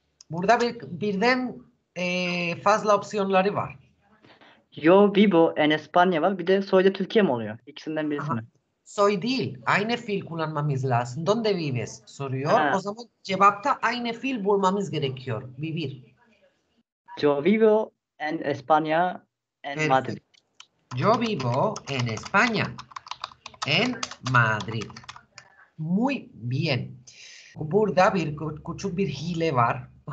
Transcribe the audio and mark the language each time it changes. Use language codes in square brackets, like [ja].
[tr] Burada birden fazla opsiyonları var. [es] Yo vivo en España [tr] var. Bir de [es] soy de Türkiye [tr] mi oluyor? İkisinden birisi Aha. mi? Soy değil. Aynı fiil kullanmamız lazım. [es] ¿Dónde vives? [tr] Soruyor. O Ha. zaman cevapta aynı fiil bulmamız gerekiyor. [es] Vivir. Yo vivo en España, en Madrid. Perfecto. Yo vivo en España, en Madrid. Muy bien. [tr] Burada bir küçük bir hile var.